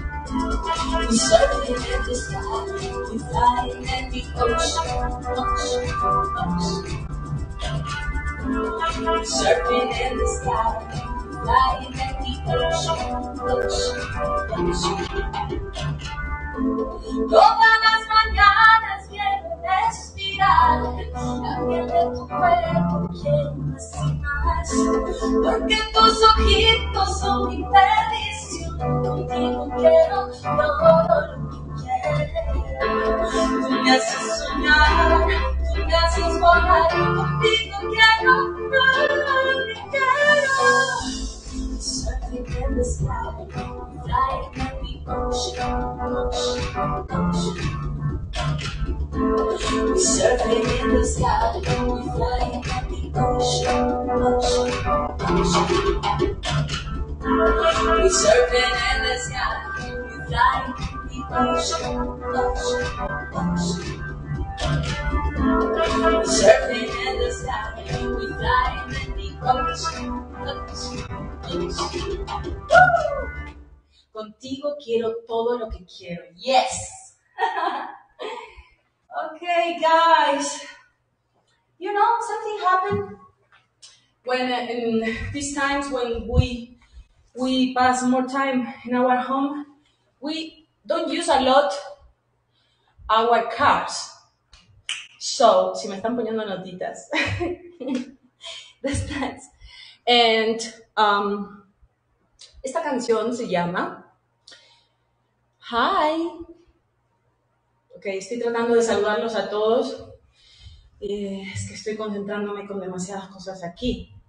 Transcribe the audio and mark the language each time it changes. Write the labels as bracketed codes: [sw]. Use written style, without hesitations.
[en] We're surfing in the sky, we're flying in the ocean, ocean, ocean. We're surfing in the sky, flying in the ocean, ocean, ocean. [es] Todas las mañanas quiero respirar, la piel de tu cuerpo quiero más y más, porque tus ojitos son mi felicidad. Contigo quiero todo lo que quiero. Tú me haces soñar, tú me haces volar. Contigo quiero todo lo que quiero. [en] swept in the sky, flying in the ocean, ocean, ocean. We're surfing in the sky, we're flying in the ocean, ocean, ocean. We're surfing in the sky, we're flying in the ocean, ocean, ocean. We're surfing in the sky, we're flying in the ocean, ocean, ocean. [es] Contigo quiero todo lo que quiero. [en] Yes! Okay, guys. You know, something happened when in these times when we pass more time in our home, we don't use a lot our cars. [es] So, si me están poniendo notitas. [en] That's and [es] esta canción se llama Hi. Okay, estoy tratando de saludarlos a todos. Es que estoy concentrándome con demasiadas cosas aquí.